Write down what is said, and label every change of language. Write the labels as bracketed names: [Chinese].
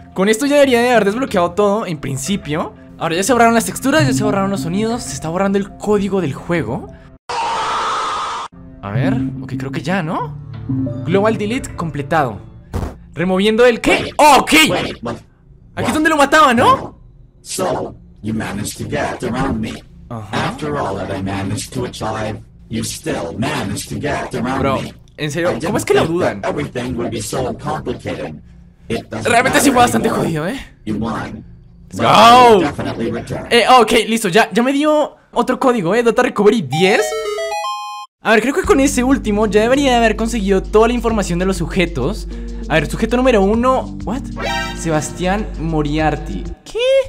[Spanish] Con esto ya debería de haber desbloqueado todo, en principio. Ahora ya se borraron las texturas, ya se borraron los sonidos, se está borrando el código del juego. A ver, ok, creo que ya, ¿no? Global Delete completado. ¿Removiendo el qué? ¡Oh, ok! Aquí es donde lo mataba, ¿no? [English] So, you managed to get around me. After all that I managed to achieve, you still managed to get around me. [Spanish] Bro, en serio, ¿cómo es que lo dudan? [English] Everything would be so complicated. It doesn't. [Spanish] Realmente sí fue bastante jodido, ¿eh? [English] You won. Go. [Spanish] Okay, listo, ya me dio otro código, Data Recovery 10. A ver, creo que con ese último ya debería haber conseguido toda la información de los sujetos. A ver, sujeto número 1, what? Sebastián Moriarty. ¿Qué?